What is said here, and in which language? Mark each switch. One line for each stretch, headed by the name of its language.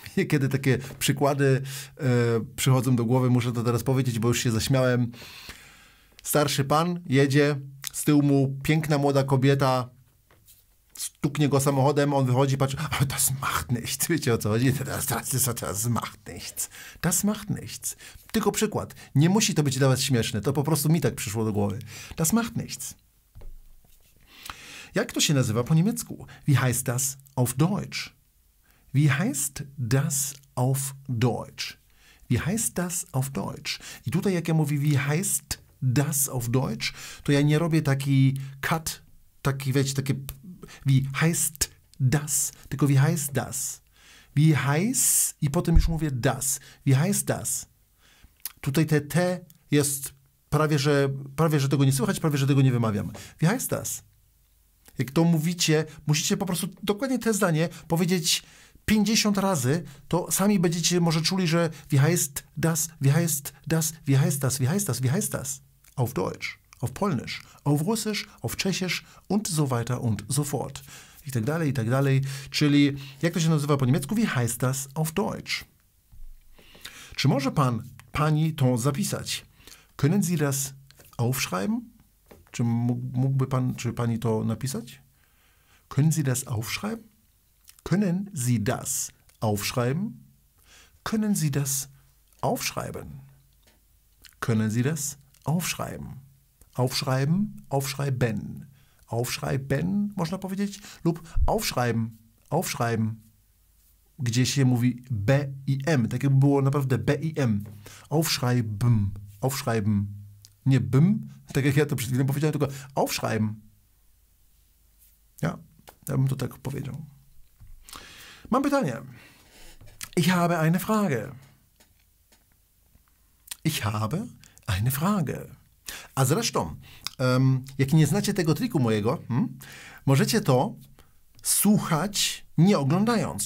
Polish: Kiedy takie przykłady przychodzą do głowy, muszę to teraz powiedzieć, bo już się zaśmiałem. Starszy pan jedzie, z tyłu mu piękna młoda kobieta, stuknie go samochodem, on wychodzi, patrzy, ale
German: das macht nichts,
Polish: wiecie o co chodzi?
German: Das macht nichts, das macht nichts.
Polish: Tylko przykład, nie musi to być dla was śmieszne, to po prostu mi tak przyszło do głowy.
German: Das macht nichts.
Polish: Jak to się nazywa po niemiecku?
German: Wie heißt das auf Deutsch? Wie heißt das auf Deutsch? Wie heißt das auf Deutsch?
Polish: I tutaj jak ja mówię,
German: wie heißt das auf Deutsch,
Polish: to ja nie robię taki cut, taki wiecie, takie wie heißt das, tylko wie heißt das.
German: Wie heißt
Polish: i potem już mówię
German: das. Wie heißt das?
Polish: Tutaj te T jest prawie, że tego nie słychać, prawie, że tego nie wymawiam.
German: Wie heißt das?
Polish: Jak to mówicie, musicie po prostu dokładnie te zdanie powiedzieć 50 razy, to sami będziecie może czuli, że
German: wie heißt das, wie heißt das, wie heißt das, wie heißt das, wie heißt das? Auf Deutsch, auf Polnisch, auf Russisch, auf Czechisch und so weiter und so fort.
Polish: I tak dalej, i tak dalej. Czyli jak to się nazywa po niemiecku?
German: Wie heißt das auf Deutsch?
Polish: Czy może pan, pani to zapisać?
German: Können Sie das aufschreiben?
Polish: Czy mógłby pan, czy pani to napisać?
German: Können Sie das aufschreiben? Können Sie das aufschreiben? Können Sie das aufschreiben? Können Sie das aufschreiben? Aufschreiben, aufschreiben.
Polish: Aufschreiben, można powiedzieć, lub
German: aufschreiben, aufschreiben.
Polish: Gdzie się mówi B i M, tak jakby było naprawdę B i M.
German: Aufschreiben, aufschreiben.
Polish: Nie bym, tak jak ja to przed chwilą powiedziałem, tylko aufschreiben. Ja, ja bym to tak powiedział. Mam pytanie.
German: Ich habe eine Frage. Ich habe eine Frage.
Polish: A zresztą, jak nie znacie tego triku mojego, możecie to słuchać nie oglądając.